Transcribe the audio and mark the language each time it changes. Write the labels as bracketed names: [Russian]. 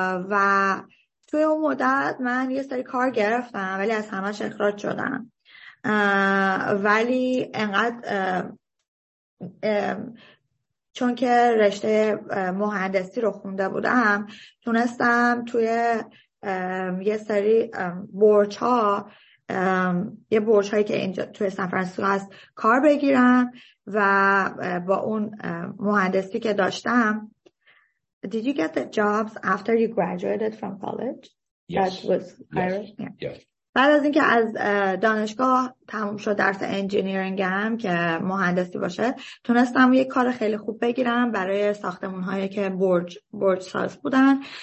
[Persian] و توی اون مدت من یه سری کار گرفتم ولی از همش اخراج شدم، ولی انقدر چون که رشته مهندسی رو خونده بودم تونستم توی یه سری برچ ها یه برچ هایی که اینجا توی سان فرانسیسکو هست کار بگیرم و با اون مهندسی که داشتم. [English] Did you get the jobs after you graduated from college? Yes. That was Irish? Yes. Yeah. Yes. [Persian] بعد از اینکه از دانشگاه تموم شد درس انجینیرینگ هم که مهندسی باشه، تونستم یک کار خیلی خوب بگیرم برای ساختمون هایی که برج ساز بودن.